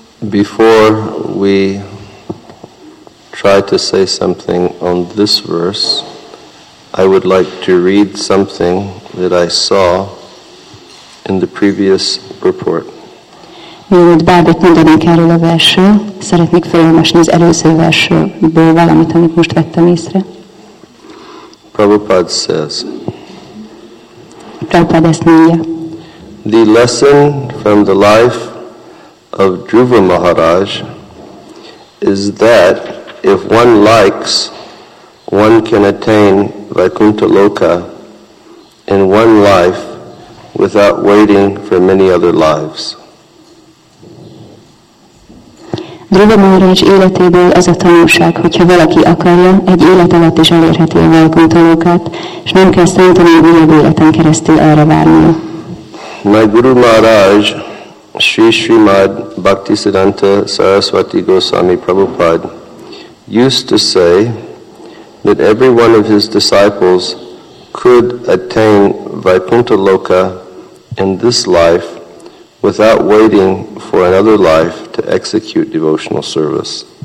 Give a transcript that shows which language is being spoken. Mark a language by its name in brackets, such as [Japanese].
[English] Before we try to say something on this verse, I would like to read something that I saw in the previous report. [Hungarian] Mielőtt bármit mondanék erről a versről, szeretnék felolvasni az előző versről valamit, amit most vettem észre. [English] Prabhupada says, [Hungarian] Prabhupada ezt mondja. [English] The lesson from the life of Dhruva Maharaj is that if one likes, one can attain Vaikuntha Loka in one life without waiting for many other lives. [Hungarian] Dhruva Maharaj életéből az a tanulság, hogyha valaki akarja, egy élet alatt is elérheti a Vaikuntha Lokát, és nem kell szántani újabb életen keresztül arra várnia. [English] My Guru Maharaj Sri Srimad Bhaktisiddhanta Saraswati Goswami Prabhupada used to say that every one of his disciples could attain Vaikuntha Loka in this life without waiting for another life to execute devotional service.